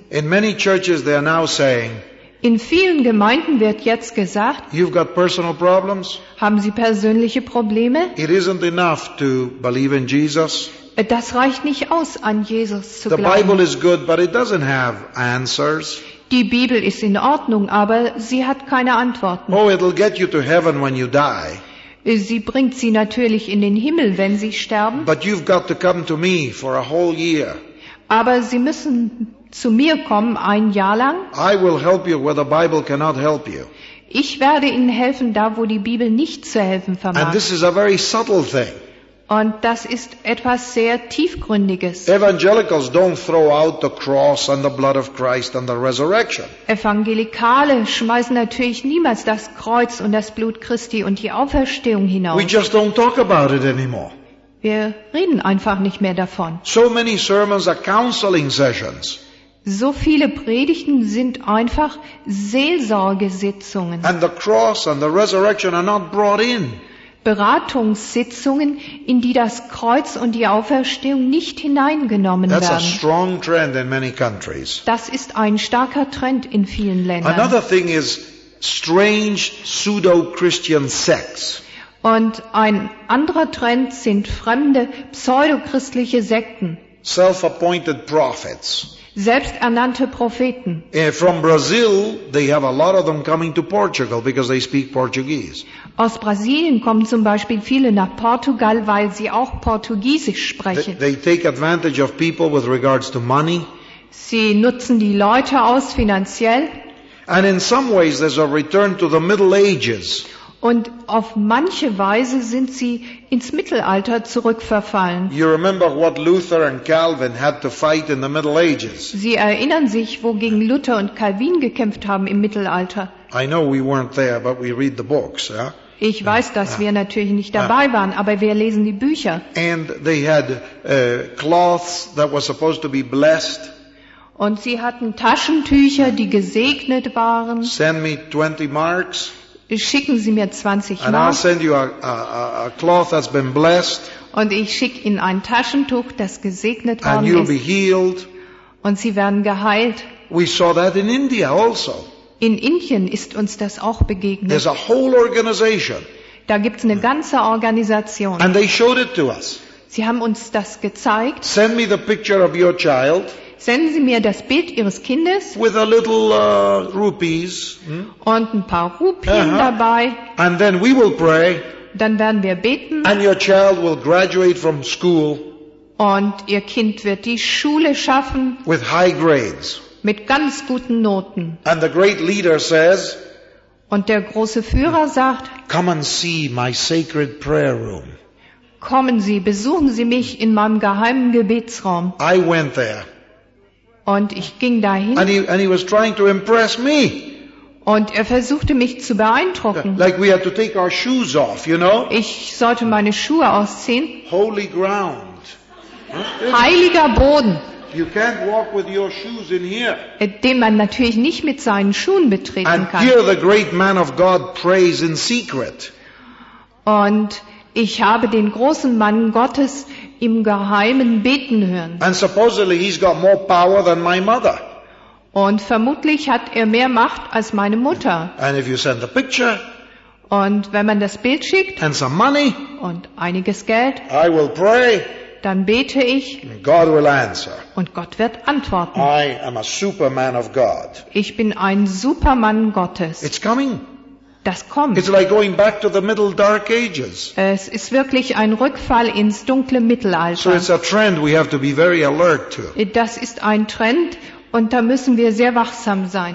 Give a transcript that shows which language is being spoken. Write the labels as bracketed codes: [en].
[en] In many churches they are now saying, [de] in vielen Gemeinden wird jetzt gesagt, [en] you've got personal problems. [de] Haben Sie persönliche Probleme? [en] It isn't enough to believe in Jesus. [de] Das reicht nicht aus, an Jesus zu [en] the [de] glauben. [en] Bible is good, but it doesn't have answers. [de] Die Bibel ist in Ordnung, aber sie hat keine Antworten. [en] Oh, it'll get you to heaven when you die. [de] Sie bringt Sie natürlich in den Himmel, wenn Sie sterben. [en] But you've got to come to me for a whole year. [de] Aber Sie müssen zu mir kommen, ein Jahr lang. [en] I will help you where the Bible cannot help you. [de] Ich werde Ihnen helfen, da wo die Bibel nicht zu helfen vermag. [en] And this is a very subtle thing. [de] Und das ist etwas sehr Tiefgründiges. [en] Evangelicals don't throw out the cross and the blood of Christ and the resurrection. [de] Evangelikale schmeißen natürlich niemals das Kreuz und das Blut Christi und die Auferstehung hinaus. [en] We just don't talk about it anymore. [de] Wir reden einfach nicht mehr davon. [en] So many sermons are counseling sessions. [de] So viele Predigten sind einfach Seelsorgesitzungen. [en] And the cross and the resurrection are not brought in. [de] Beratungssitzungen, in die das Kreuz und die Auferstehung nicht hineingenommen [en] That's [de] werden. [en] A strong trend in many countries. [de] Das ist ein starker Trend in vielen Ländern. [en] Another thing is strange pseudo-Christian sects. [de] Und ein anderer Trend sind fremde pseudochristliche Sekten. [en] Self-appointed prophets. [de] Selbsternannte Propheten. [en] From Brazil, they have a lot of them coming to Portugal because they speak Portuguese. [de] Aus Brasilien kommen zum Beispiel viele nach Portugal, weil sie auch Portugiesisch sprechen. [en] They take advantage of people with regards to money. [de] Sie nutzen die Leute aus finanziell. [en] And in some ways, there's a return to the Middle Ages. [de] Und auf manche Weise sind sie ins Mittelalter zurückverfallen. [en] You remember what Luther and Calvin had to fight in the Middle Ages. [de] Sie erinnern sich, wogegen Luther und Calvin gekämpft haben im Mittelalter. [en] I know we weren't there, but we read the books, yeah? [de] Ich weiß, dass wir natürlich nicht dabei waren, aber wir lesen die Bücher. [en] And they had cloths that were supposed to be blessed. [de] Und sie hatten Taschentücher, die gesegnet waren. [en] Send me 20 marks. [de] Schicken Sie mir 20 Mark. [en] And I'll send you a cloth that's been blessed. [de] Und ich schicke Ihnen ein Taschentuch, das gesegnet worden ist. [en] And you'll be healed. [de] Und Sie werden geheilt. [en] We saw that in India also. [de] In Indien ist uns das auch begegnet. [en] There's a whole organization. [de] Da gibt es eine ganze Organisation. [en] And they showed it to us. [de] Sie haben uns das gezeigt. [en] Send me the picture of your child. [de] Senden Sie mir das Bild Ihres Kindes. [en] With a little rupees. [de] Und ein paar Rupien dabei. [en] And then we will pray. [de] Dann werden wir beten. [en] And your child will graduate from school. [de] Und Ihr Kind wird die Schule schaffen. [en] With high grades. [de] Mit ganz guten Noten. [en] And the great leader says, [de] und der große Führer sagt, [en] come and see my sacred prayer room. [de] Kommen Sie, besuchen Sie mich in meinem geheimen Gebetsraum. [en] I went there. [de] Und ich ging dahin. [en] And he was trying to impress me. [de] Und er versuchte mich zu beeindrucken. [en] Like we had to take our shoes off, you know? [de] Ich sollte meine Schuhe ausziehen. [en] Holy ground. [de] Heiliger Boden. [en] You can't walk with your shoes in here. [de] Den man natürlich nicht mit seinen Schuhen betreten [en] and [de] kann. [en] Here the great man of God prays in secret. [de] Und ich habe den großen Mann Gottes im Geheimen beten hören. [en] And supposedly he's got more power than my mother. [de] Und vermutlich hat er mehr Macht als meine Mutter. [en] And if you send the picture, [de] und wenn man das Bild schickt [en] and some money, [de] und einiges Geld, [en] I will pray. [de] Dann bete ich. [en] God will answer. [de] Und Gott wird antworten. [en] I am a superman of God. [de] Ich bin ein Supermann Gottes. [en] It's coming. [de] Das kommt. [en] It's like going back to the middle dark ages. [de] Es ist wirklich ein Rückfall ins dunkle Mittelalter. [en] So it's a trend we have to be very alert to. [de] Das ist ein Trend und da müssen wir sehr wachsam sein.